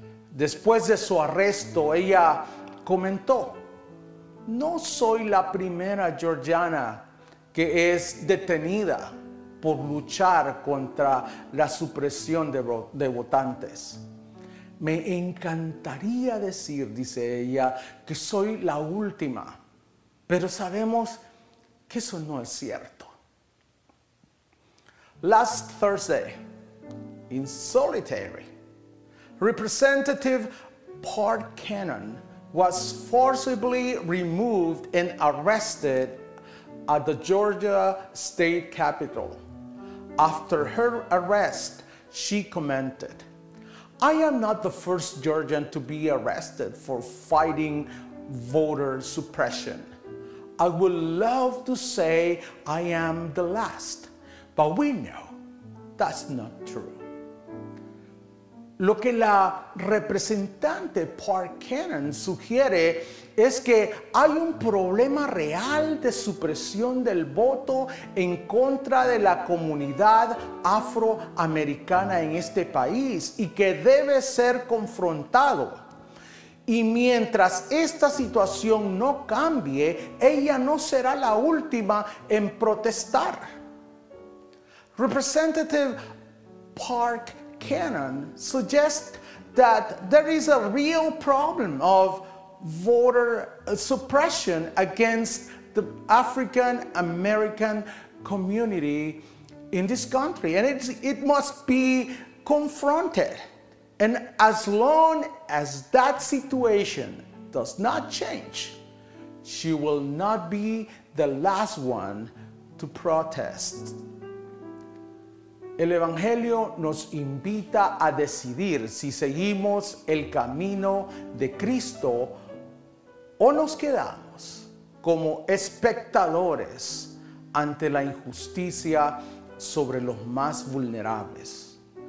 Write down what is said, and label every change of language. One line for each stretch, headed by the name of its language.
Spanish: Después de su arresto, ella comentó: "No soy la primera georgiana que es detenida por luchar contra la supresión de votantes. Me encantaría decir", dice ella, "que soy la última, pero sabemos que eso no es cierto".
English: Last Thursday, in solitary, Representative Park Cannon was forcibly removed and arrested at the Georgia State Capitol. After her arrest, she commented, "I am not the first Georgian to be arrested for fighting voter suppression. I would love to say I am the last, but we know that's not true."
Spanish: Lo que la representante Park Cannon sugiere es que hay un problema real de supresión del voto en contra de la comunidad afroamericana en este país y que debe ser confrontado. Y mientras esta situación no cambie, ella no será la última en protestar.
English: Representative Park Cannon suggests that there is a real problem of voter suppression against the African American community in this country. And it must be confronted. And as long as that situation does not change, she will not be the last one to protest.
Spanish: El Evangelio nos invita a decidir si seguimos el camino de Cristo o nos quedamos como espectadores ante la injusticia sobre los más vulnerables.